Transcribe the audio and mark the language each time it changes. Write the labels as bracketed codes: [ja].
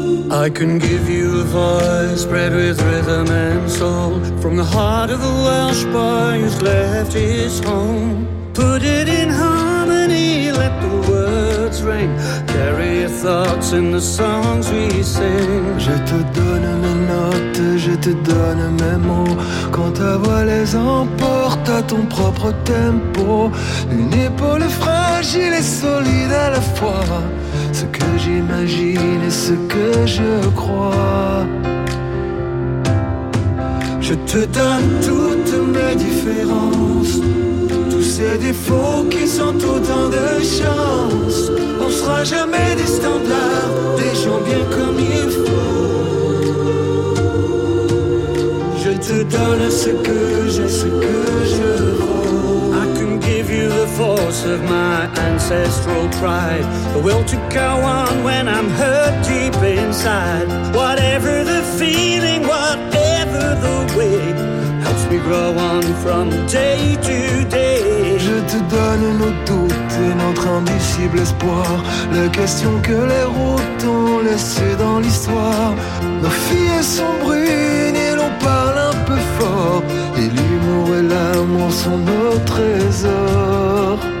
[en] I can give you a voice spread with rhythm and soul from the heart of a Welsh boy who's left his home. Put it in harmony, let the words ring. Carry your thoughts in the songs we sing. [fr] Je te donne mes notes, je te donne mes mots. Quand ta voix les emporte à ton propre tempo. Une épaule fragile et solide à la fois. Ce que j'imagine et ce que je crois. Je te donne toutes mes différences. Tous ces défauts qui sont autant de chances. On sera jamais des standards, des gens bien comme il faut. Je te donne ce que j'ai, ce que je vaux. [en] I can give you the force of my ancestral pride. The will to go on when I'm hurt deep inside. Whatever the feeling, whatever the way. Helps me grow on from day to day. [fr] Je te donne nos doutes et notre indicible espoir. La question que les routes ont laissée dans l'histoire. Nos filles sont brunes et l'on parle un peu fort. Et l'humour et l'amour sont nos trésors.